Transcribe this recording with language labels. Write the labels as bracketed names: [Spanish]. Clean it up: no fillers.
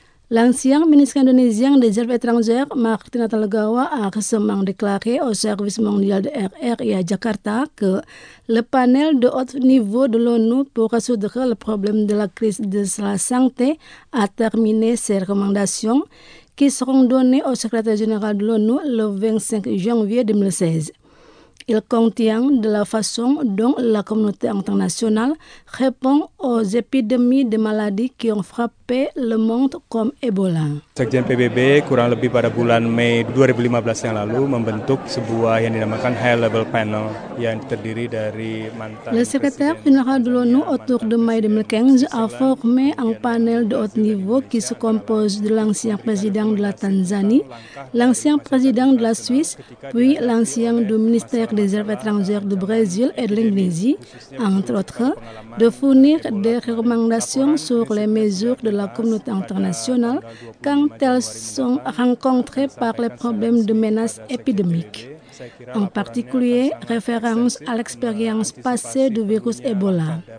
[French] L'ancien ministre indonésien des Affaires étrangères, Martin Talgawa, a récemment déclaré au service mondial de RRI à Jakarta que le panel de haut niveau de l'ONU pour résoudre le problème de la crise de la santé a terminé ses recommandations qui seront données au secrétaire général de l'ONU le 25 janvier 2016. Il contient de la façon dont la communauté internationale répond aux épidémies de maladies qui ont frappé le monde comme Ebola. [Indonesian] Sekjen PBB kurang lebih pada bulan Mei 2015 yang lalu membentuk sebuah yang dinamakan [English] high level panel [Indonesian] yang terdiri dari mantan. [French] Le secrétaire général de l'ONU autour de mai 2015 a formé un panel de haut niveau qui se compose de l'ancien président de la Tanzanie, l'ancien président de la Suisse, puis l'ancien du ministère des Affaires étrangères du Brésil et de l'Indonésie, entre autres, de fournir des recommandations sur les mesures de la communauté internationale quand elles sont rencontrées par les problèmes de menaces épidémiques, en particulier référence à l'expérience passée du virus Ebola.